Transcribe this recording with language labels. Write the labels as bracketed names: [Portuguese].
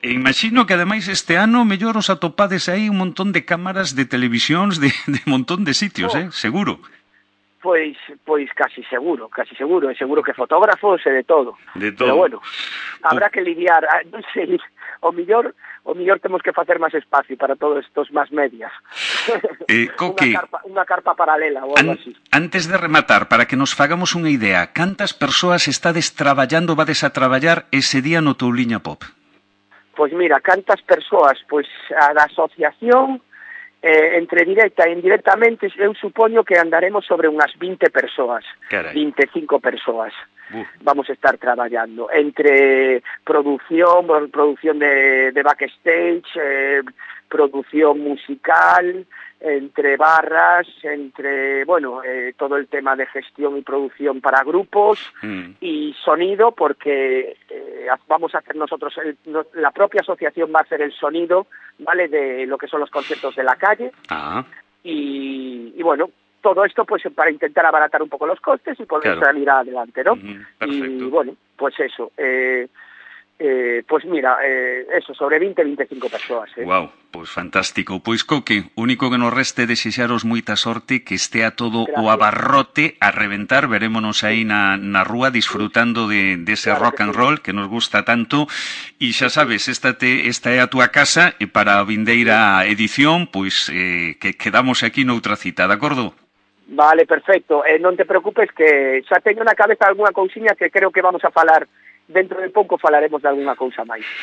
[Galician] E imagino que ademais este ano mellor os atopades aí un montón de cámaras de televisións de montón de sitios, seguro. Pois casi seguro, seguro que fotógrafos e de todo. Pero bueno, habrá que lidiar, non sei, o mellor temos que facer máis espacio para todos estos máis medias. Coque, unha carpa paralela ou algo así. Antes de rematar, para que nos fagamos unha idea, cantas persoas estades traballando, vades a traballar ese día no Touliña Pop? Pois mira, cantas persoas, pois a da asociación, entre directa e indirectamente, eu supoño que andaremos sobre unhas 20 persoas, caray. 25 persoas. [Spanish] Vamos a estar traballando entre producción de backstage, producción musical, entre barras, entre, bueno, todo el tema de gestión y producción para grupos y sonido, porque vamos a hacer nosotros, la propia asociación va a hacer el sonido, ¿vale?, de lo que son los conciertos de la calle. Ah. Y bueno, todo esto pues para intentar abaratar un poco los costes y poder salir adelante, ¿no? Perfecto. Y bueno, pues eso. Pues mira, eso, sobre 20, 25 persoas. [Galician] Wow, pues fantástico. Pues Coque, único que nos reste desexaros moita sorte, que estea todo o abarrote a reventar. Verémonos aí na rúa disfrutando de ese claro rock and roll que nos gusta tanto. E xa sabes, esta é a túa casa, e para a vindeira edición, pues que quedamos aquí noutra cita, de acordo? Vale, perfecto. Non te preocupes, que xa teño na cabeza alguna cousinha que creo que vamos a falar. Dentro de pouco falaremos de alguna cousa máis.